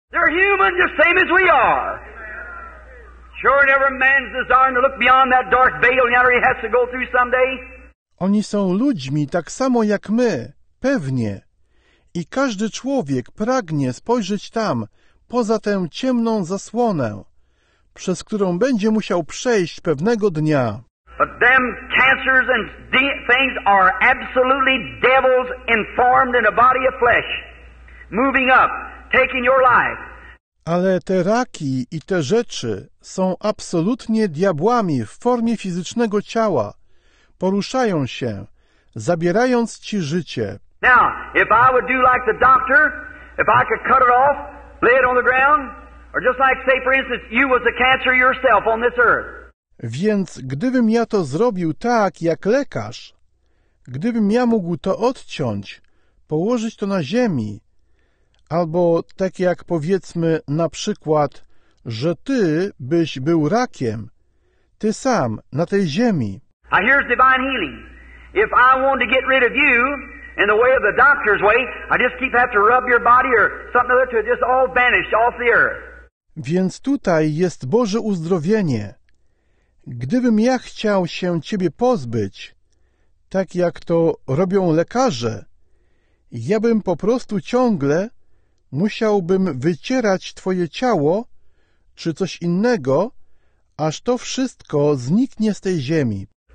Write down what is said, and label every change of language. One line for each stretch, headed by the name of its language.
English: They're human just same as we are. Sure, every man's desire to look beyond that dark veil and he has to go through someday.
Polish: Oni są ludźmi tak samo jak my, pewnie. I każdy człowiek pragnie spojrzeć tam, poza tę ciemną zasłonę, przez którą będzie musiał przejść pewnego dnia.
English: But them cancers and things are absolutely devils informed in a body of flesh, moving up, taking your life.
Polish: Ale te raki i te rzeczy są absolutnie diabłami w formie fizycznego ciała. Poruszają się, zabierając ci życie.
English: Now, if I would do like the doctor, if I could cut it off, lay it on the ground, or just like, say, for instance, you was the cancer yourself on this earth.
Polish: Więc gdybym ja to zrobił tak, jak lekarz, gdybym ja mógł to odciąć, położyć to na ziemi, albo tak jak powiedzmy na przykład, że ty byś był rakiem, ty sam na tej ziemi.
English: Now here's divine healing. If I want to get rid of you in the way of the doctor's way, I just keep have to rub your body or something other to just all vanish off the earth.
Polish: Więc tutaj jest Boże uzdrowienie. Gdybym ja chciał się ciebie pozbyć, tak jak to robią lekarze, ja bym po prostu ciągle musiałbym wycierać twoje ciało czy coś innego, aż to wszystko zniknie z tej ziemi.